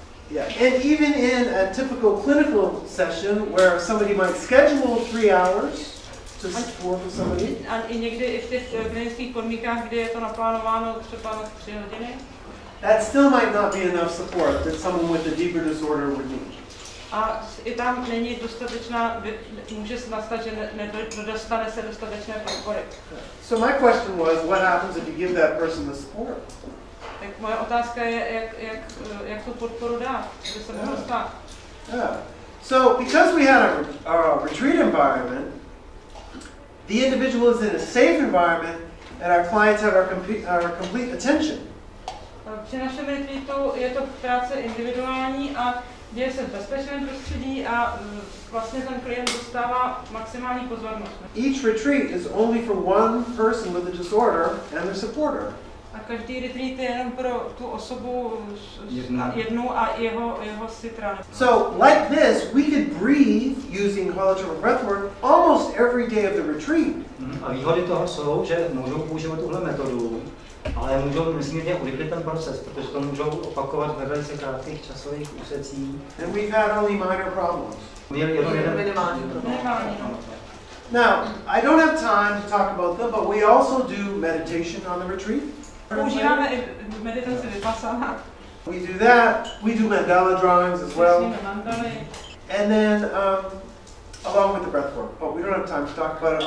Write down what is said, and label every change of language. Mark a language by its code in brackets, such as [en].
[en] Yeah, and even in a typical clinical session where somebody might schedule 3 hours to support somebody. [cs] And i někdy i v těch klinických podmínkách, kde je to naplánováno třeba na 3 hodiny. [en] That still might not be enough support that someone with a deeper disorder would need. [cs] A i tam není dostatečná, může se nastat, že nedostane se dostatečné podpory. [en] So my question was, what happens if you give that person the support? [cs] Tak moje otázka je, jak tu podporu dát, kde se mohlo stát. [en] So because we had a retreat environment, the individual is in a safe environment and our clients have our complete attention. [cs] Při našem retreatu je to práce individuální a děje se v bezpečném prostředí a vlastně ten klient dostává maximální pozornost. [en] Each retreat is only for one person with a disorder and their supporter. [cs] A každý retreat je jenom pro tu osobu jednu a jeho sitra. [en] So, like this, we could breathe using holotropic breathwork almost every day of the retreat. [cs] A výhody toho jsou, že můžou používat tuhle metodu, ale můžou nesmírně urychlit ten proces, protože to můžou opakovat ve velice krátkých časových úsecích. [en] And we've had only minor problems. [cs] Minimální. [en] Now, I don't have time to talk about them, but we also do meditation on the retreat. We do that, we do mandala drawings as well, and then along with the breath work, but we don't have time to talk about it.